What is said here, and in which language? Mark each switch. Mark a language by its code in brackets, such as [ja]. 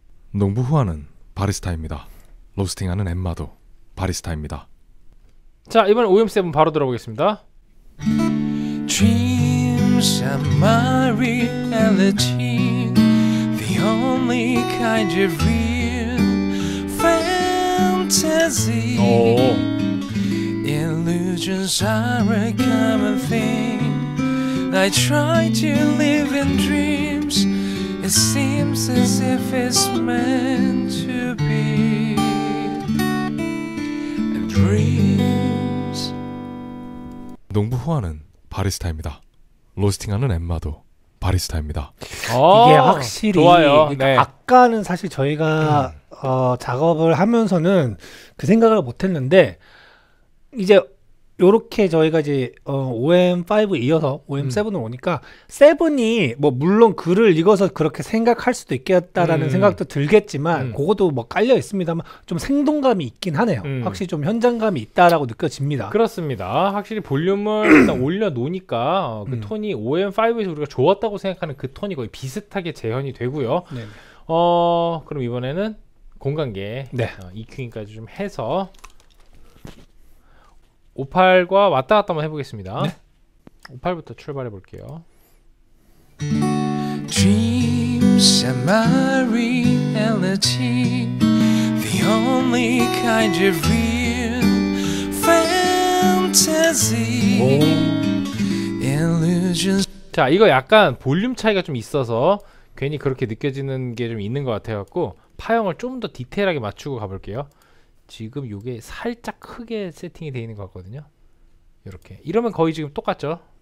[ko] 농부 후아는 바리스타입니다. 로스팅하는 엠마도 바리스타입니다. 자, 이번 OM7 바로 들어보겠습니다. [en] Dreams are my reality, the only kind of real fantasy. Illusions are a common thing. I try to live in dreams. It seems as if it's meant to be. Dreams. [ko] 농부 후아는 바리스타입니다. 로스팅하는 엠마도 바리스타입니다. 이게 확실히 좋아요. 그러니까 네. 아까는 사실 저희가 작업을 하면서는 그 생각을 못했는데 이제 요렇게 저희가 이제 OM5 이어서 OM7으로 오니까 7이 뭐 물론 글을 읽어서 그렇게 생각할 수도 있겠다라는 생각도 들겠지만 그것도 뭐 깔려 있습니다만 좀 생동감이 있긴 하네요. 확실히 좀 현장감이 있다라고 느껴집니다. 그렇습니다. 확실히 볼륨을 일단 올려놓으니까 그 톤이 OM5에서 우리가 좋았다고 생각하는 그 톤이 거의 비슷하게 재현이 되고요. 네. 그럼 이번에는 공간계 네. EQ인까지 좀 해서 58과 왔다 갔다 한번 해보겠습니다. 네. 58부터 출발해 볼게요. [en] Dreams are my reality, the only kind of real fantasy. Illusions. [ko] 자, 이거 약간 볼륨 차이가 좀 있어서 괜히 그렇게 느껴지는 게 좀 있는 것 같아갖고 파형을 좀 더 디테일하게 맞추고 가볼게요. 지금 요게 살짝 크게 세팅이 되어 있는 것 같거든요. 이렇게 이러면 거의 지금 똑같죠?